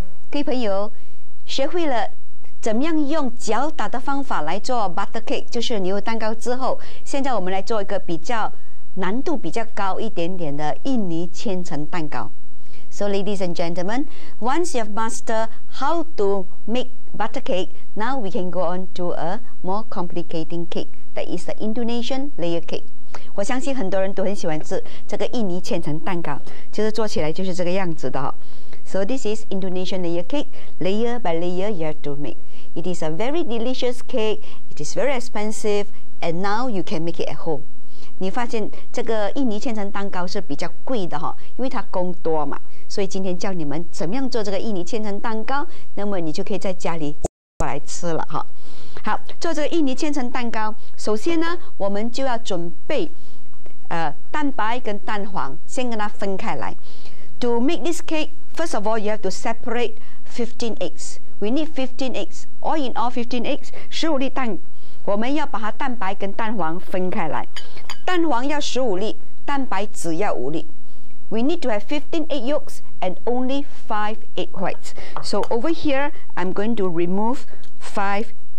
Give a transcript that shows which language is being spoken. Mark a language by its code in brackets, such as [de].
[zh] 的朋友学会了怎么样用搅打的方法来做 butter cake， 就是牛油蛋糕之后，现在我们来做一个比较难度比较高一点点的印尼千层蛋糕。 [en] So ladies and gentlemen, once you have mastered how to make butter cake, now we can go on to a more complicating cake. That is the Indonesian layer cake. [zh] 我相信很多人都很喜欢吃这个印尼千层蛋糕，就是做起来就是这个样子的。 [en] So this is Indonesian layer cake, layer by layer you have to make. It is a very delicious cake, it is very expensive, and now you can make it at home. [zh] 你发现这个印尼千层蛋糕是比较贵的，因为它工多嘛，所以今天教你们怎么样做这个印尼千层蛋糕，那么你就可以在家里过来吃了。好，做这个印尼千层蛋糕，首先呢，我们就要准备，蛋白跟蛋黄，先跟它分开来。 [en] To make this cake, first of all, you have to separate 15 eggs. We need 15 eggs. All in all, 15 eggs, [zh] 15粒蛋。我们要把它蛋白跟蛋黄分开来。蛋黄要15粒，蛋白只要5粒。 [en] We need to have 15 egg yolks and only 5 egg whites. So over here, I'm going to remove 5 eggs.